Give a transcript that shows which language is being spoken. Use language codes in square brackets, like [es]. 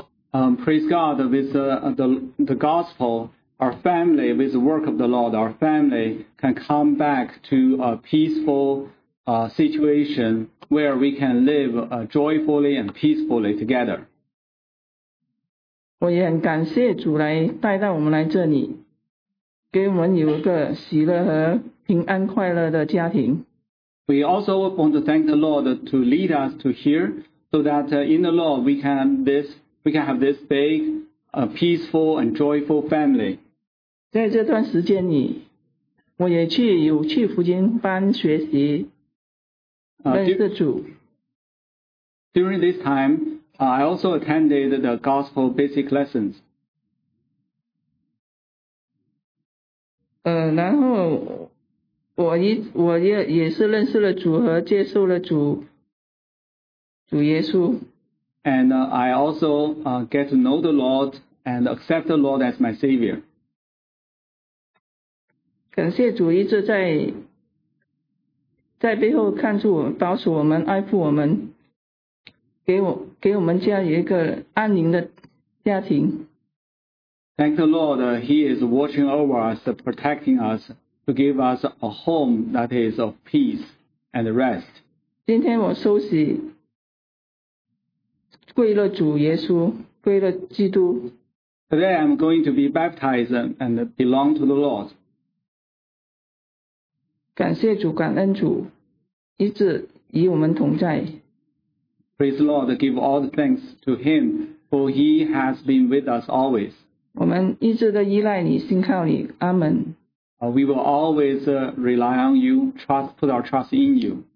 [en] Praise God, with the gospel, our family, with the work of the Lord, our family can come back to a peaceful situation where we can live joyfully and peacefully together. [zh] 我也很感谢主来带到我们来这里，给我们有一个喜乐和平安快乐的家庭。 [en] We also want to thank the Lord to lead us to here, so that in the Lord we can have this big, peaceful and joyful family. [zh] 在这段时间里，我也去有去福音班学习，认识主。 [en] During this time, I also attended the gospel basic lessons. [zh] 然后我也是认识了主和接受了主耶稣。 [en] And I also get to know the Lord and accept the Lord as my Savior. [zh] 感谢主一直在背后看住我们，保守我们，爱护我们，给我们家有一个安宁的家庭。 [en] Thank the Lord, He is watching over us, protecting us, to give us a home that is of peace and rest. [zh] 今天我休息。归了主耶稣，归了基督。 [en] Today I'm going to be baptized and belong to the Lord. [zh] 感谢主，感恩主，一直与我们同在。 [en] Praise the Lord, give all the thanks to Him, for He has been with us always. [zh] 我们一直的依赖你，信靠你，阿门。 [en] We will always rely on you, put our trust in you.